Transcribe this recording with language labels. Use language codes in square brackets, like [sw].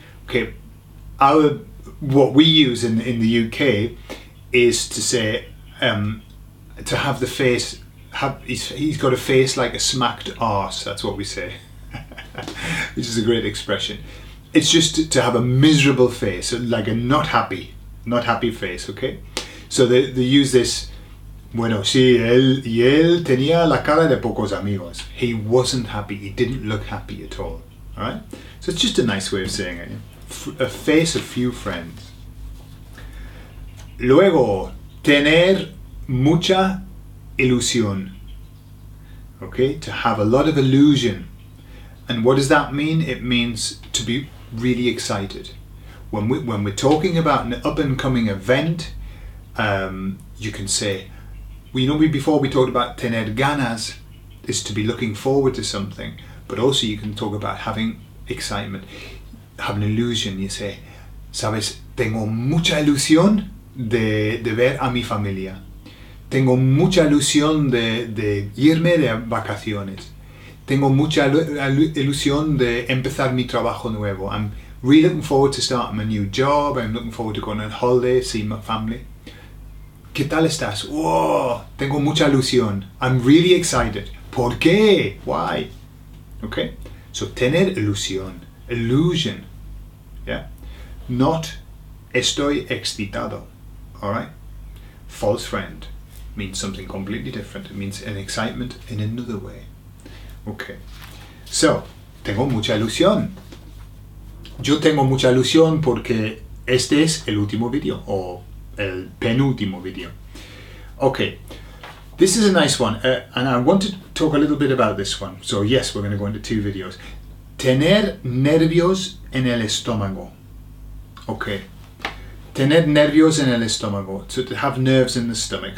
[en] Okay, what we use in the UK is to say to have the face. He's got a face like a smacked arse. That's what we say, which is a great expression. It's just to have a miserable face, like a not happy face. Okay, so they use this. [es] Bueno, sí, él tenía la cara de pocos amigos. [en] He wasn't happy. He didn't look happy at all. All right? So it's just a nice way of saying it. A face of few friends. [es] Luego, tener mucha ilusión. [en] Okay? To have a lot of illusion. And what does that mean? It means to be really excited. When we're talking about an up-and-coming event, you can say, well, you know, before we talked about tener ganas, is to be looking forward to something, but also you can talk about having excitement, have an illusion. You say, [es] sabes, tengo mucha ilusión de ver a mi familia. Tengo mucha ilusión de irme de vacaciones. Tengo mucha ilusión de empezar mi trabajo nuevo. [en] I'm really looking forward to starting my new job. I'm looking forward to going on holiday, seeing my family. [es] ¿Qué tal estás? Oh, tengo mucha ilusión. [en] I'm really excited. [es] ¿Por qué? [en] Why? Okay. So, tener ilusión. Illusion. Yeah. Not [es] estoy excitado. [en] All right. False friend means something completely different. It means an excitement in another way. Okay. So, [es] tengo mucha ilusión. Yo tengo mucha ilusión porque este es el último video. Oh. El penúltimo video. [en] Okay, this is a nice one, and I want to talk a little bit about this one. So yes, we're going to go into two videos. [es] Tener nervios en el estómago. [en] Okay, [es] tener nervios en el estómago. [en] So to have nerves in the stomach.